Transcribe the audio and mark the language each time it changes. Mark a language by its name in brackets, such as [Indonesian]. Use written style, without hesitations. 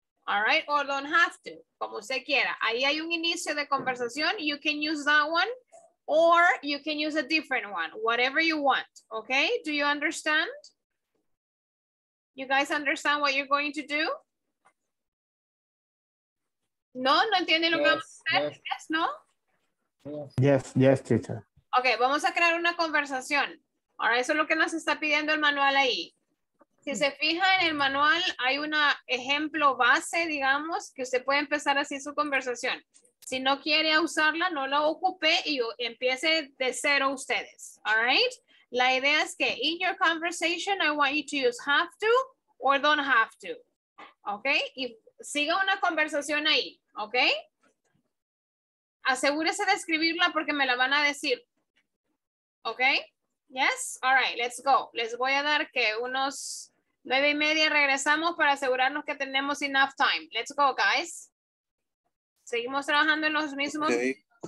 [English] All right, or don't have to, [Spanish] como usted quiera. Ahí hay un inicio de conversación. [English] You can use that one or you can use a different one, whatever you want, okay? Do you understand? You guys understand what you're going to do? [Spanish] No, no entiende lo que vamos a hacer? [English] Yes, no? Yes, yes, teacher. [Spanish] Okay, vamos a crear una conversación. [English] All right, [Spanish] eso es lo que nos está pidiendo el manual ahí. Si se fija en el manual, hay un ejemplo base, digamos, que usted puede empezar así su conversación. Si no quiere usarla, no la ocupe y empiece de cero ustedes. All right? La idea es que [English] in your conversation, I want you to use have to or don't have to. [Spanish] Okay? Y siga una conversación ahí. Okay? Asegúrese de escribirla porque me la van a decir. Okay? Yes? [English] All right, let's go. [Spanish] Les voy a dar que unos 9:30 regresamos para asegurarnos que tenemos [English] enough time. Let's go, guys. [Spanish] Seguimos trabajando en los mismos. Okay.